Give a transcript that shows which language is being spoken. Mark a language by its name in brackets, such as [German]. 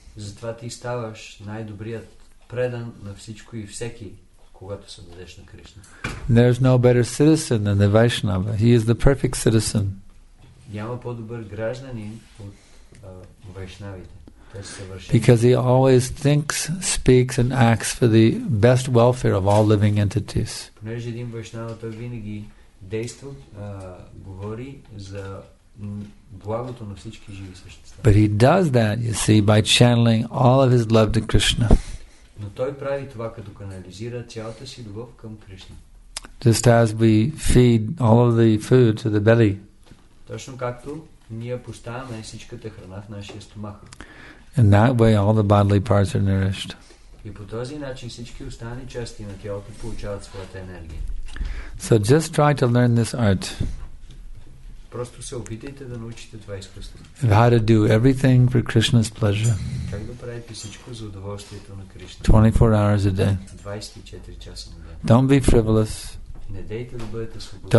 [Bulgarian] Затова ти ставаш най-добрият предан на всичко и всеки, когато се дадеш на Кришна. [English] There is no better citizen than the Vaishnava. He is the perfect citizen. [Bulgarian] Няма по-добър гражданин от Вайшнавите. [English] Because he always thinks, speaks, and acts for the best welfare of all living entities. [Bulgarian] Понеже един Вайшнава, той винаги действа, говори за благото на всички живи същества. [English] But he does that, you see, by channeling all of his love to Krishna. [Bulgarian] Но той прави това, като канализира цялата си любов към Кришна. [English] Just as we feed all of the food to the belly. [Bulgarian] Точно както ние поставяме всичката храна в нашия стомах. [English] In that way, all the bodily parts are nourished. [Bulgarian] И по този начин всички останали части на тялото получават своята енергия. [English] So just try to learn this art. [Bulgarian] Просто се опитайте да научите това изкуство. [English] How to do everything for Krishna's pleasure. [Bulgarian] Как да правите всичко за удоволствието на Кришна. [English] 24 hours a day. [Bulgarian] 24 часа на ден. [English] Don't be frivolous. [Bulgarian] Не дейте да бъдете свободни.